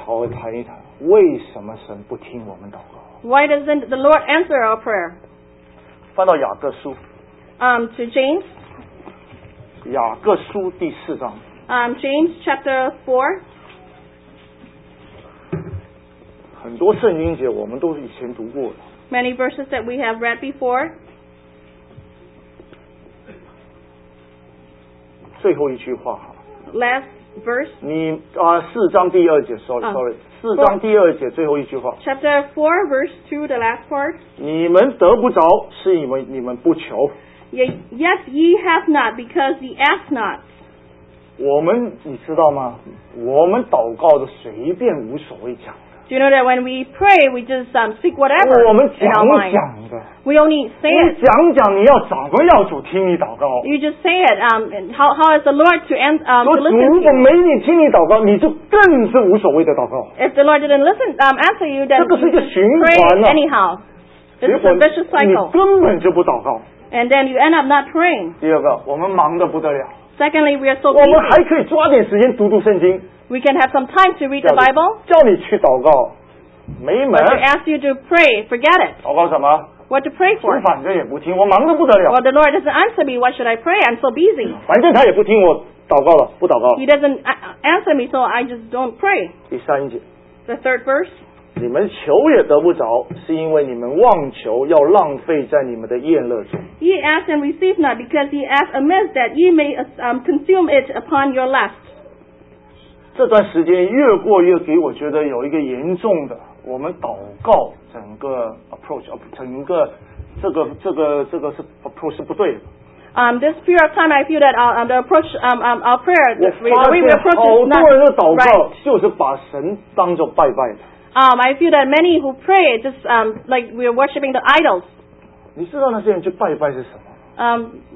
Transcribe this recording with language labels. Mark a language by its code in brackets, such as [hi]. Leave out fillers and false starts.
[zh] 所以我今天要跟大家好好谈一谈，为什么神不听我们祷告？ [en] Why doesn't the Lord answer our prayer? [zh] 翻到雅各书, [en] to James. [zh] 雅各书第四章, [en] James chapter 4. [zh] 很多圣经节我们都以前读过的, [en] many verses that we have read before. [zh] 最后一句话, [en] last verse. [zh] 四章第二节, [en] sorry. [zh] 四章第二节最后一句话, [en] chapter 4 verse 2, the last part. [zh] 你们得不着是因为你们不求。 [en] Yes, ye have not because ye ask not. [zh] 我们, 你知道吗? 我们祷告的随便无所谓讲的。 [en] Do you know that when we pray, we just speak whatever. [zh] 我们讲讲的。 [en] We only say it. [zh] 你讲讲你要怎么要主听你祷告。 [en] You just say it. How is the Lord to listen to you? [zh] 主如果没你听你祷告, 你就更是无所谓的祷告。 [en] If the Lord didn't listen, answer you, then you pray anyhow. It's a vicious cycle. [zh] 你根本就不祷告。 [en] And then you end up not praying. [zh] 第二个, 我们忙得不得了。 [en] Secondly, we are so busy. [zh] 我们还可以抓点时间读读圣经。 [en] We can have some time to read the Bible. [zh] 叫你去祷告, 没门。 [en] But to ask you to pray, forget it. [zh] 祷告什么? [en] What to pray for? [zh] 反正也不听, 我忙得不得了。 [en] Well, the Lord doesn't answer me, what should I pray? I'm so busy. [zh] 反正他也不听我祷告了, [en] He doesn't answer me, so I just don't pray. [zh] 第三节, [en] the third verse. [zh] 你们求也得不着, 是因为你们妄求要浪费在你们的宴乐中。 [en] Ye ask and receive not, because ye ask amiss, that ye may consume it upon your lust. [zh] 这段时间越过越给我觉得有一个严重的, 我们祷告, 整个 approach, 整个这个是 approach 是不对的。 [en] This period of time, I feel that the approach, our prayer, the way we approach is not right. [zh] 就是把神当作拜拜的。 [en] I feel that many who pray just like we are worshiping the idols. [zh] 你知道那些人去拜拜是什么?